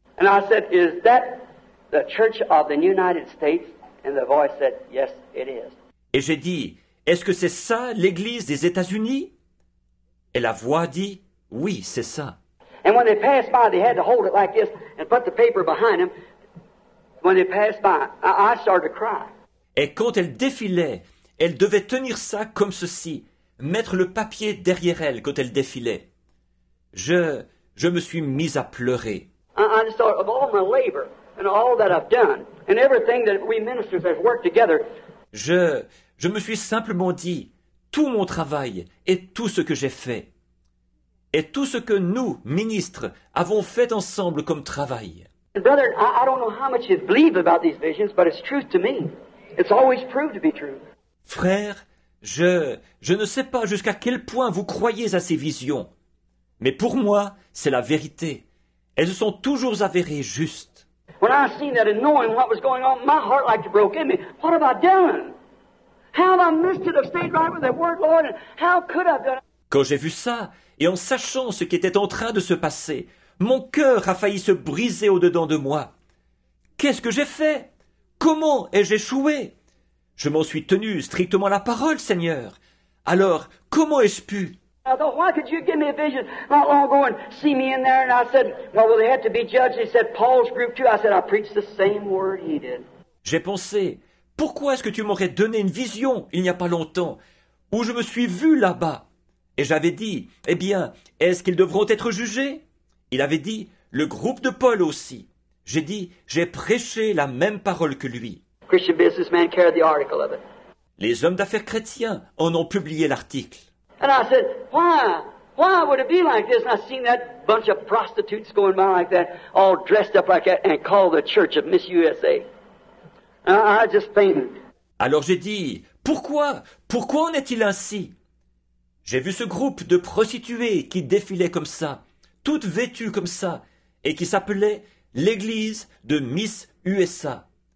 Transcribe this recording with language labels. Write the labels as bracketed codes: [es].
[en] And I said, "Is that the Church of the United States?" And the voice said, "Yes, it is." [fr] Et j'ai dit, "Est-ce que c'est ça l'Église des États-Unis?" Et la voix dit, "Oui, c'est ça." [en] And when they passed by, they had to hold it like this and put the paper behind them. When they passed by, I started to cry. [fr] Et quand elle défilait, elle devait tenir ça comme ceci, mettre le papier derrière elle quand elle défilait. Je me suis mis à pleurer. [en] I just thought of all my labor and all that I've done and everything that we ministers have worked together. [fr] Je me suis simplement dit, tout mon travail et tout ce que j'ai fait et tout ce que nous, ministres, avons fait ensemble comme travail. [en] Brother, I don't know how much you believe about these visions, but it's truth to me. It's always proved to be true. [fr] Frère, je ne sais pas jusqu'à quel point vous croyez à ces visions, mais pour moi, c'est la vérité. Elles se sont toujours avérées justes. [en] When I seen that and knowing what was going on, my heart like to broke in me. What have I done? How have I missed it? I've stayed right with the word, Lord, and how could I have done it? [fr] Quand j'ai vu ça, et en sachant ce qui était en train de se passer, mon cœur a failli se briser au-dedans de moi. Qu'est-ce que j'ai fait? Comment ai-je échoué? Je m'en suis tenu strictement à la parole, Seigneur. Alors, comment ai-je pu? [en] I thought, why could you give me a vision not long ago and see me in there? And I said, well, will they have to be judged? He said, Paul's group too. I said, I preached the same word he did. [fr] J'ai pensé, pourquoi est-ce que tu m'aurais donné une vision il n'y a pas longtemps où je me suis vu là-bas? Et j'avais dit, eh bien, est-ce qu'ils devront être jugés? Il avait dit, le groupe de Paul aussi. J'ai dit, j'ai prêché la même parole que lui. [en] Christian businessman carried the article of it. [fr] Les hommes d'affaires chrétiens en ont publié l'article. [en] And I said, why would it be like this? And I seen that bunch of prostitutes going by like that, all dressed up like that, and called the church of Miss USA. And I just fainted. [fr] Alors j'ai dit, pourquoi en est-il ainsi? J'ai vu ce groupe de prostituées qui défilaient comme ça, toutes vêtues comme ça, et qui s'appelait l'église de Miss USA.